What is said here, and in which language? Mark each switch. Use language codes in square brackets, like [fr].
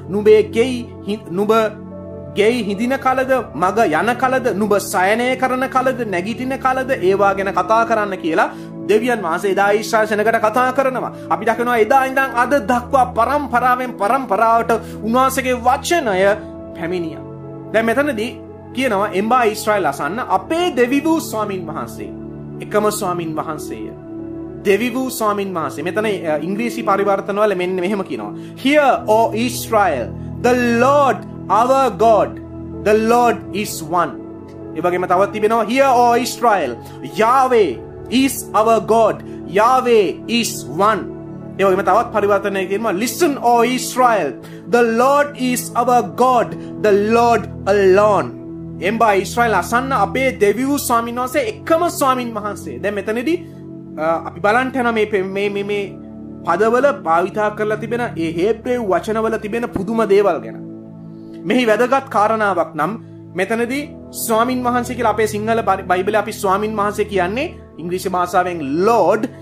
[si] නුඹේ ගෙයි නුඹ ගෙයි හිඳින කලද, මග යන කලද, නුඹ සයනය කරන කලද, නැගිටින කලද, ඒවා ගැන කතා කරන්න කියලා දෙවියන් වහන්සේ එදා ඊශ්‍රායෙලට කතා කරනවා. අපි දකිනවා එදා ඉඳන් අද දක්වා පරම්පරාවෙන් පරම්පරාවට උන්වහන්සේගේ වචනය පැමිණියා. දැන් මෙතනදී කියනවා එම්බා ඊශ්‍රායෙල් අසන්න, අපේ දෙවිවූ ස්වාමින් වහන්සේ එකම ස්වාමින් වහන්සේය. දෙවිවූ ස්වාමින් වහන්සේ, මෙතන ඉංග්‍රීසි පරිවර්තනවල මෙන්න මෙහෙම කියනවා, [en] Here O Israel, the Lord our God, the Lord is one. [si] ඒ වගේම තවත් තිබෙනවා, [en] Here O Israel, Yahweh is our God, Yahweh is one. [si] ඒ වගේම තවත් පරිවර්තනයක් තියෙනවා, [en] Listen O Israel, the Lord is our God, the Lord alone. [si] එම්බා Israel අසන්න, අපේ දෙවිවූ ස්වාමින් වහන්සේ එකම ස්වාමින් වහන්සේ. දැන් මෙතනදී අපි බලන්න යන මේ පදවල භාවිතා කරලා තිබෙන ඒ හෙබ්‍රේව් වචනවල තිබෙන පුදුම දේවල් ගැන. මෙහි වැදගත් කාරණාවක් නම් මෙතනදී ස්වාමින් වහන්සේ කියලා අපේ සිංහල බයිබලේ අපි ස්වාමින් වහන්සේ කියන්නේ ඉංග්‍රීසි භාෂාවෙන් Lord.